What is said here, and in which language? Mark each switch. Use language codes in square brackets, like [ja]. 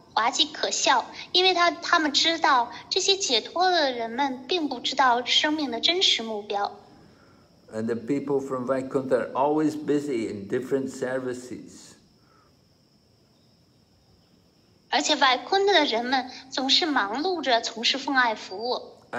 [zh] 滑稽可笑，因为他们知道这些解脱的人们并不知道生命的真实目标。 [en] And the people from Vaikuntha are always busy in different services. [zh] 而且维昆特的人们总是忙碌着从事奉爱服务。